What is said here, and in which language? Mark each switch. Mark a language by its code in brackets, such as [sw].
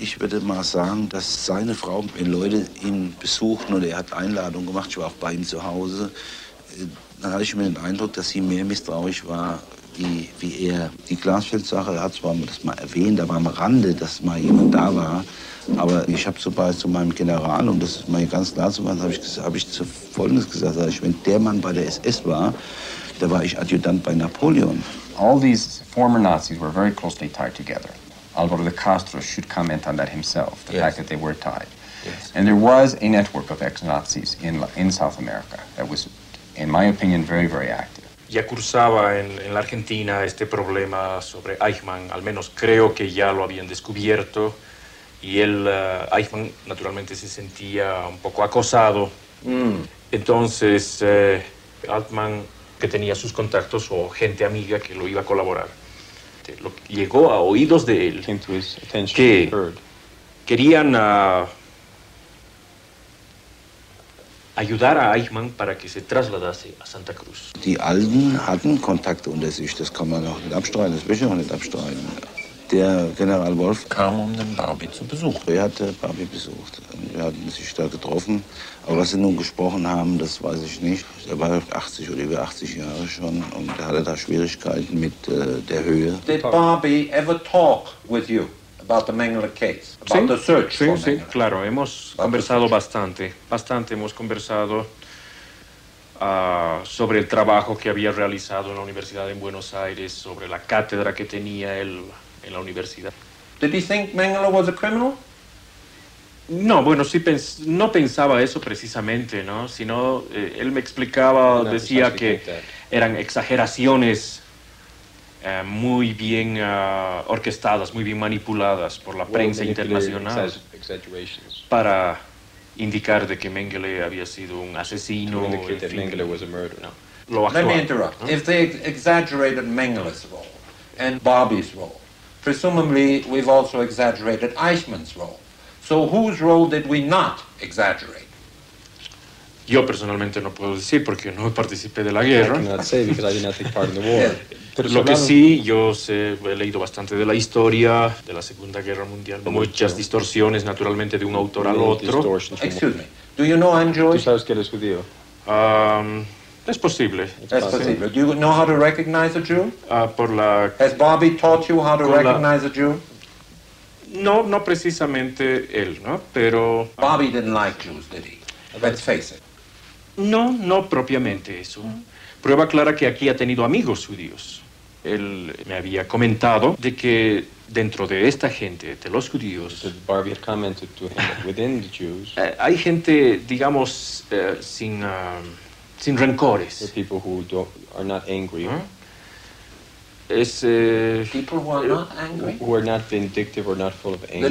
[de] Ich würde mal sagen, dass seine Frau, wenn Leute ihn besuchten oder er hat Einladungen gemacht, ich war auch bei ihm zu Hause, dann hatte ich mir den Eindruck, dass sie mehr misstrauisch war wie er. Die Glasfeld-Sache, er hat zwar das mal erwähnt, aber am Rande, dass mal jemand da war, aber ich habe sobald zu meinem General, um das mal ganz klar zu machen, habe ich zu Folgendes gesagt, ich, wenn der Mann bei der SS war, da war ich Adjutant bei Napoleon. [en] All these former Nazis were very closely tied together. Alvaro de Castro should comment on that himself, the fact that they were tied. Yes. And there was a network of ex-Nazis in South America that was, in my opinion, very, very active. [es] Ya cursaba en la Argentina este problema sobre Eichmann, al menos creo que ya lo habían descubierto. Y él, Eichmann, naturalmente se sentía un poco acosado. Mm. Entonces, Altman, que tenía sus contactos o gente amiga que lo iba a colaborar. Lo que llegó a oídos de él que querían ayudar a Eichmann para que se trasladase a Santa Cruz. [de] Die Alten hatten Kontakte unter sich, das kann man auch nicht abstreiten, das will ich auch nicht abstreiten. Der General Wolf kam, um den Barbie zu besuchen. Er hatte Barbie besucht. Wir hatten sich da getroffen. Aber was sie nun gesprochen haben, das weiß ich nicht. Er war 80 oder über 80 Jahre schon und hatte da Schwierigkeiten mit der Höhe. [en] Did Barbie ever talk with you about the Mengele case? About [es] sí, [en] the search? [es] Sí, sí, claro. Hemos conversado bastante. Bastante hemos conversado sobre el trabajo que había realizado en la Universidad en Buenos Aires, sobre la cátedra que tenía él en la universidad. [en] Did he think Mengele was a criminal? [es] No, bueno, sí no pensaba eso precisamente, ¿no? Sino él me explicaba, no, decía que eran exageraciones muy bien orquestadas, muy bien manipuladas por la prensa internacional para indicar de que Mengele había sido un asesino. [en] To indicate that Mengele was a murderer. [es] No. Lo actual. [en] Let me interrupt. [es] ¿Eh? [en] If they exaggerated Mengele's role and Bobby's role, presumably we've also exaggerated Eichmann's role. So whose role did we not exaggerate? [es] Yo personalmente no puedo decir porque no participé de la guerra. [en] I cannot say because I did not take part in the war. [es] Lo que sí, yo sé, he leído bastante de la historia de la Segunda Guerra Mundial. Muchas distorsiones, naturalmente, de un autor al otro. [en] Excuse me. Do you know I'm Jewish? [es] ¿Tú sabes que eres judío? Es posible. Es posible. [en] Do you know how to recognize a Jew? [es] Por la. [en] Has Bobby taught you how to recognize a Jew? [es] No, no precisamente él, ¿no? Pero... [en] Bobby didn't like Jews, did he? Let's face it. [es] No, no propiamente eso. Prueba clara que aquí ha tenido amigos judíos. Él me había comentado de que dentro de esta gente, de los judíos... [en] Barbie had commented to him that within the Jews... [es] Hay gente, digamos, sin, sin rencores. [en] The people who are not angry. [es] Es... [en] people who are not angry? Who are not vindictive or not full of anger.